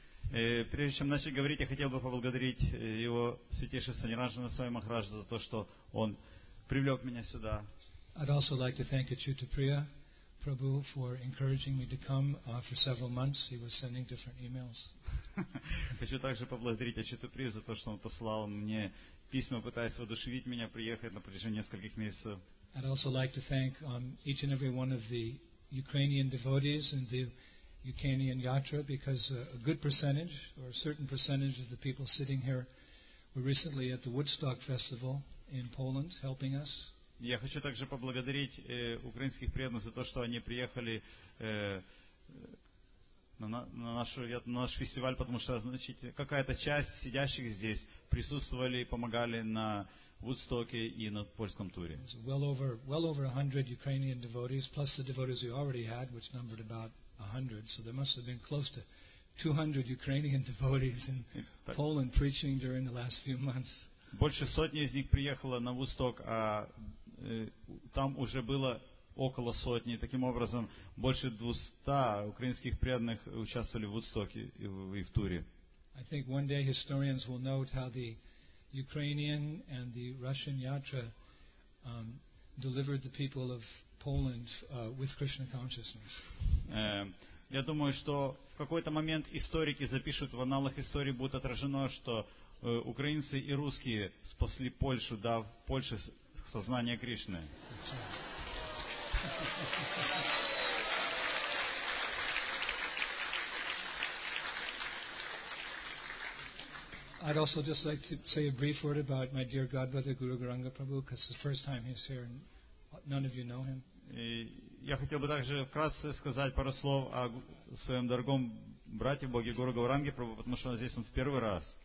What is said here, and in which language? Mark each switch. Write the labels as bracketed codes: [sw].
[ru] Прежде чем начать говорить, я хотел бы поблагодарить его святейшество Ниранджана Свами Махараджа за то, что он привлек меня сюда. [en] I'd also like to thank Achyuta Priya Prabhu for encouraging me to come for several months. He was sending different emails. [ru] Хочу также поблагодарить Ачюту Прию за то, что он послал мне письма, пытаясь воодушевить меня приехать на протяжении нескольких месяцев. [en] I'd also like to thank each and every one of the Ukrainian devotees and the Ukrainian yatra, because a good percentage or a certain percentage of the people sitting here were recently at the Woodstock Festival in Poland helping us. [ru] Я хочу также поблагодарить украинских преданных за то, что они приехали на наш фестиваль, потому что, значит, какая-то часть сидящих здесь присутствовали и помогали на Woodstock и на польском туре. [en] Well over 100 Ukrainian devotees, plus the devotees we already had, which numbered about 100. So there must have been close to 200 Ukrainian devotees in Poland preaching during the last few months. [ru] Больше сотни из них приехало на Woodstock, а там уже было около сотни. Таким образом, больше 200 украинских преданных участвовали в Woodstock и в туре. [en] I think one day historians will note how the Ukrainian and the Russian yatra delivered the people of Poland with Krishna consciousness. [ru] Я думаю, что в какой-то момент историки запишут в аналах истории, будет отражено, что украинцы и русские спасли Польшу, дав Польше сознание Кришны. [en] That's right. I'd also just like to say a brief word about my dear godbrother Guru Gauranga Prabhu, because it's the first time he's here and none of you know him. [ru] Я хотел бы также вкратце сказать пару слов о своем дорогом брате Боге Гуру Гауранге Прабху, потому что он здесь в первый раз.